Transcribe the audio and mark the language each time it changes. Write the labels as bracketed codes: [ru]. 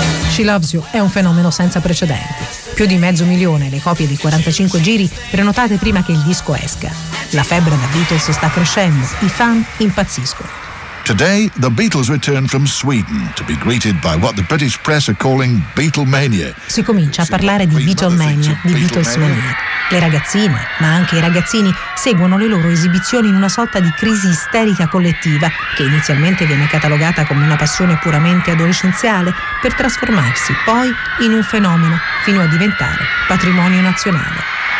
[it] She Loves You è un fenomeno senza precedenti. Più di 500.000 le copie di 45 giri prenotate prima che il disco esca. La febbre da Beatles sta crescendo, i fan impazziscono. [en] Today the Beatles return from Sweden to be greeted by what the British press are calling Beatlemania. [it] Si comincia a parlare di Beatlemania, di Beatlesmania. Le ragazzine, ma anche i ragazzini, seguono le loro esibizioni in una sorta di crisi isterica collettiva che inizialmente viene catalogata come una passione puramente adolescenziale per trasformarsi poi in un fenomeno fino a diventare patrimonio nazionale.